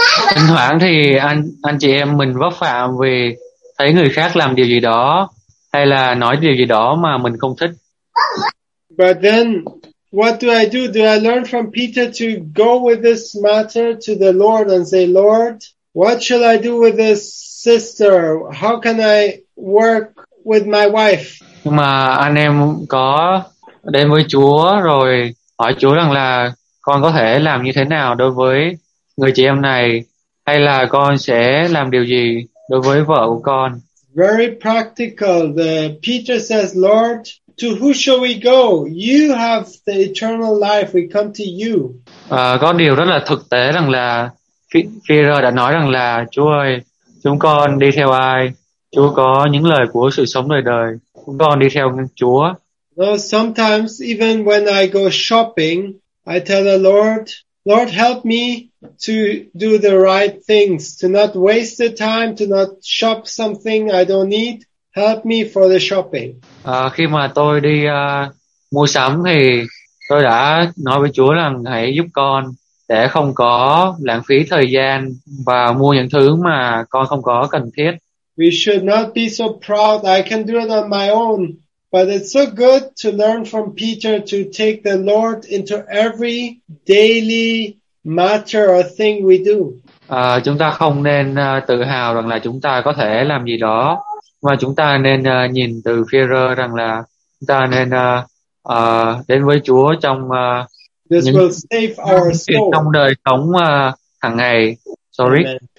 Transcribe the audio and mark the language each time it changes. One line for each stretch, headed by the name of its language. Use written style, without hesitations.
Vietnamese: Thỉnh thoảng thì anh chị em mình vấp phạm vì thấy người khác làm điều gì đó hay là nói điều gì đó mà mình không thích.
English: But then what do I do? Do I learn from Peter to go with this matter to the Lord and say, Lord, what shall I do with this sister? How can I work with my wife?
Vietnamese: Nhưng mà anh em có đến với Chúa rồi hỏi Chúa rằng là con có thể làm như thế nào đối với người chị em này, hay là con sẽ làm điều gì đối với vợ của con?
English: Very practical. The Peter says, Lord, to who shall we go? You have the eternal life. We come to you.
Vietnamese: Có điều rất là thực tế rằng là Phi-rơ đã nói rằng là Chúa ơi, chúng con đi theo ai? Chúa có những lời của sự sống đời đời. Chúng con đi theo Chúa.
English: No, sometimes even when I go shopping, I tell the Lord, Lord, help me to do the right things, to not waste the time, to not shop something I don't need. Help me for the shopping.
Vietnamese: Khi mà tôi đi mua sắm thì tôi đã nói với Chúa rằng hãy giúp con để không có lãng phí thời gian và mua những thứ mà con không có cần thiết.
English: We should not be so proud. I can do it on my own. But it's so good to learn from Peter to take the Lord into every daily matter or thing we do.
Vietnamese: Chúng ta không nên tự hào rằng là chúng ta có thể làm gì đó, mà chúng ta nên nhìn từ Phi-rơ rằng là chúng ta nên đến với Chúa trong
English: this
Vietnamese: những,
English: will save our soul.
Vietnamese: Trong đời sống hàng ngày.
English: Sorry. Amen.